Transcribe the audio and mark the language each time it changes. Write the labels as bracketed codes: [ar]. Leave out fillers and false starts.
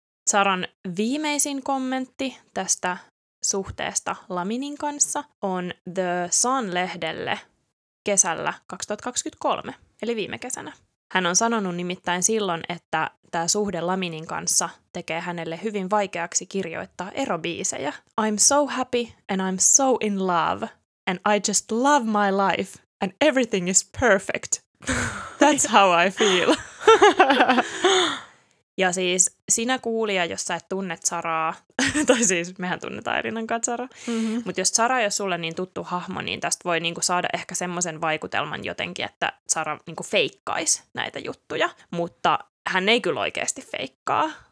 [fi] Saran viimeisin kommentti tästä suhteesta Laminin kanssa on The Sun-lehdelle kesällä 2023, eli viime kesänä. Hän on sanonut nimittäin silloin, että tämä suhde Laminin kanssa tekee hänelle hyvin vaikeaksi kirjoittaa erobiisejä. [en] I'm so happy and I'm so in love and I just love my life and everything is perfect. That's how I feel. [fi] Ja siis sinä kuulija, jos sä et tunnet Saraa, tai siis mehän tunnetaan Elinan kanssa Saraa, mutta jos Sara ei ole sulle niin tuttu hahmo, niin tästä voi niinku saada ehkä semmoisen vaikutelman jotenkin, että Sara niinku feikkaisi näitä juttuja, mutta hän ei kyllä oikeasti feikkaa.